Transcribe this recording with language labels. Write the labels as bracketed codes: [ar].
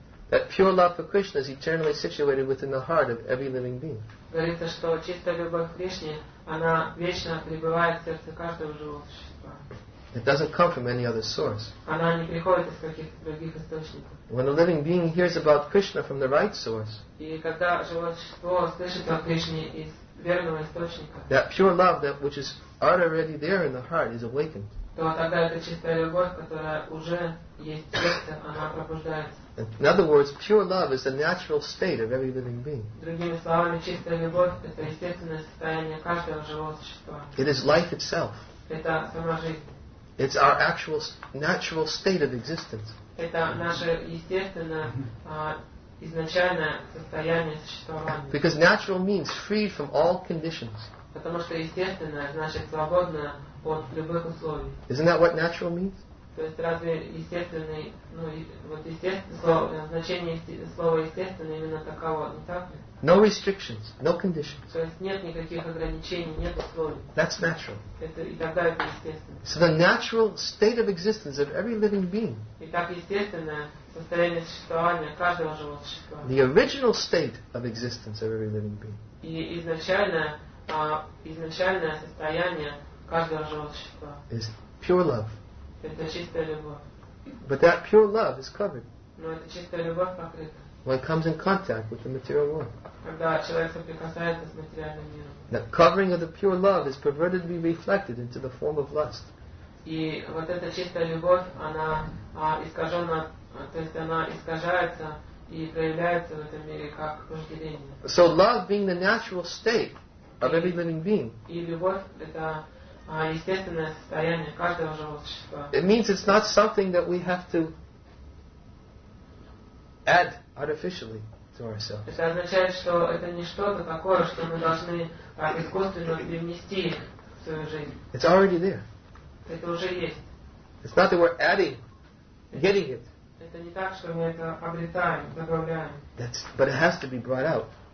[en] That pure love for Krishna is eternally situated within the heart of every living being. [ru] Говорится, что чистая любовь к Кришне, она вечно пребывает в сердце каждого живого существа. [en] It doesn't come from any other source. [ru] Она не приходит из каких-то других источников. [en] When a living being hears about Krishna from the right source, [ru] и когда живое существо слышит о Кришне из верного источника. [en] That pure love that which is already there in the heart is awakened. [ru] То тогда эта чистая любовь, которая уже есть в сердце, она пробуждается. [en] In other words, pure love is the natural state of every living being. [ru] Другими словами, чистая любовь — это естественное состояние каждого живого существа. [en] It is life itself. [ru] Это сама жизнь. [en] It's our actual natural state of existence. [ru] Это наше естественное, изначальное состояние существования. [en] Because natural means free from all conditions. [ru] Потому что естественное значит свободное от любых условий. [en] Isn't that what natural means? [ru] То есть разве естественный, ну вот естественное слово, значение слова естественное именно таково, не так ли? [en] No restrictions, no conditions. [ru] То есть нет никаких ограничений, нет условий. [en] That's natural. [ru] Это, и тогда это естественно. [en] It's the natural state of existence of every living being. [ru] Итак, естественное состояние существования каждого живого существа. [en] The original state of existence of every living being. [ru] И изначальное состояние каждого живого существа. [en] Is pure love. [ru] Это чистая любовь. [en] But that pure love is covered. [ru] Но это чистая любовь покрыта. [en] When it comes in contact with the material world. [ru] Когда человек соприкасается с материальным миром. [en] The covering of the pure love is pervertedly reflected into the form of lust. [ru] И вот эта чистая любовь, она искажена, то есть она искажается и проявляется в этом мире как вожделение. [en] So love being the natural state of every living being. [ru] И любовь это естественное состояние каждого живого существа. [en] It means it's not something that we have to add artificially to ourselves. [ru] Это означает, что это не что-то такое, что мы должны искусственно привнести в свою жизнь. [en] It's already there. [ru] Это уже есть. [en] It's not that we're adding, getting it. [ru] Это не так, что мы это обретаем, добавляем. [en] But it has to be brought out.